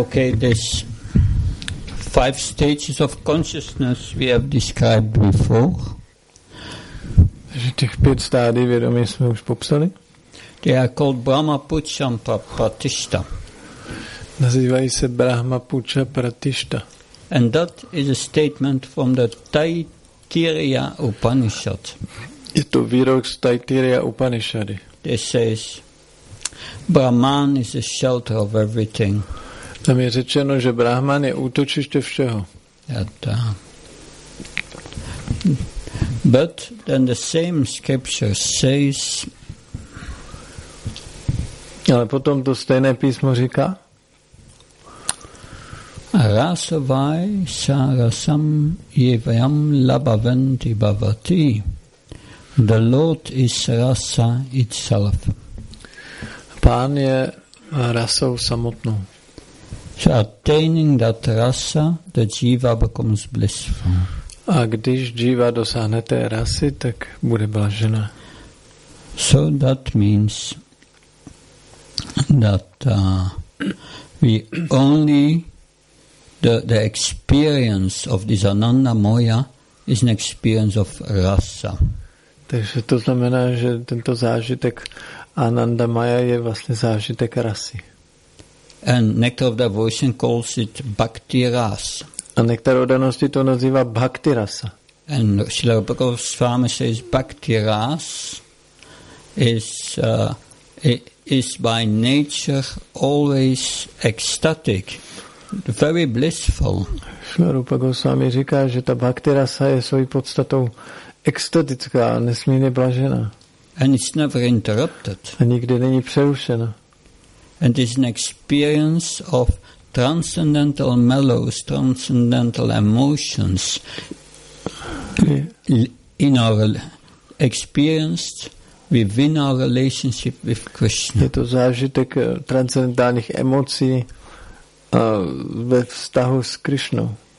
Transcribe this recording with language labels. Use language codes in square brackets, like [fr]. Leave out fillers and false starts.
[en] Okay, this five stages of consciousness we have described before. [cs] Že těch pět stádií vědomí jsme už popsali. [en] They are called Brahma Pucha Pratishta. [cs] Nazývají se Brahma Pucha Pratishta. [en] And that is a statement from the Taittiriya Upanishad. [cs] Je to výrok z Taittiriya Upanishady. [en] It says, Brahman is the shelter of everything. [cs] Tam je řečeno, že Brahman je útočiště všeho. [en] But then the same scripture says, [cs] ale potom to stejné písmo říká, [sa] Rasavai sarasam yevayam labavanti bhavati. [en] The Lord is rasa itself. [cs] Pán je rasou samotnou. [en] So attaining that rasa, the jiva becomes blissful. [cs] A když jiva dosáhne té rasy, tak bude blažená. [en] So that means that we only the experience of this Ananda Moya is an experience of rasa. [cs] Takže to znamená, že tento zážitek Ananda Maya je vlastně zážitek rasy. [en] And Nectar of Devotion calls it Bhakti Rasa. [cs] A Nektar Odanosti to nazývá Bhakti Rasa. [en] And Srila Rupa Goswami says Bhakti Rasa is by nature always ecstatic, very blissful. [cs] Srila Rupa Goswami říká, že ta Bhakti Rasa je svojí podstatou extatická, nesmírně blažená. [en] And it's never interrupted. [cs] A nikdy není přerušena. [en] And it's an experience of transcendental mellows, transcendental emotions in our experienced within our relationship with Krishna. [cs] Je to zážitek transcendentálních emocí ve vztahu s Krishnou.